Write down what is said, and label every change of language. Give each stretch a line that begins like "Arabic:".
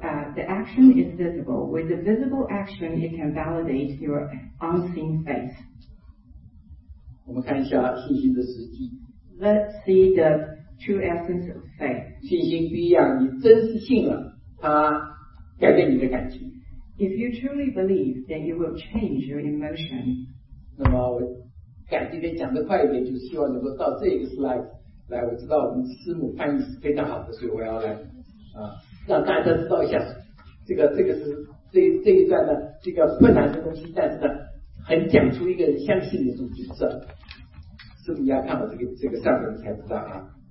English: the action is visible. With the visible action, it can validate your unseen faith.
Chinese: 我们看一下信心的实际。
English: Let's see the true essence of faith.
Chinese: 信心不一样，你真是信了，它改变你的感情。
English: If you truly believe, then you will change your emotion.
Chinese: 那么我赶今天讲得快一点，就是希望能够到这一个 slide 来。我知道我们师母翻译是非常好的，所以我要来啊，让大家知道一下这个是这一段呢，这个困难的东西，但是呢，很讲出一个人相信的这种角色。师母要看我这个上面，你才知道啊。